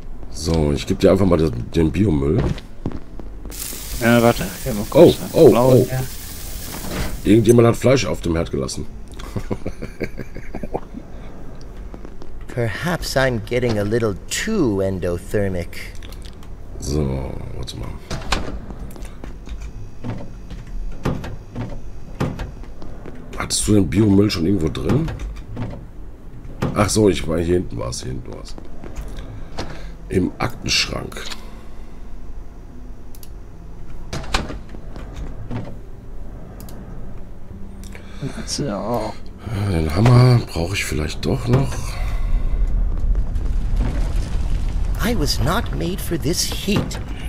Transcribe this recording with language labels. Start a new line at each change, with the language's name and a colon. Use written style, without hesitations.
German: So, ich gebe dir einfach mal den Biomüll. Ja, warte. Okay, oh, was. Oh, Blau, oh. Ja. Irgendjemand hat Fleisch auf dem Herd gelassen.
English: Perhaps I'm getting a little too endothermic.
German: So, warte mal. Hattest du den Biomüll schon irgendwo drin? Ach so, ich war hier hinten war's. Im Aktenschrank. So. Den Hammer brauche ich vielleicht doch noch.
English: I was not made for this heat.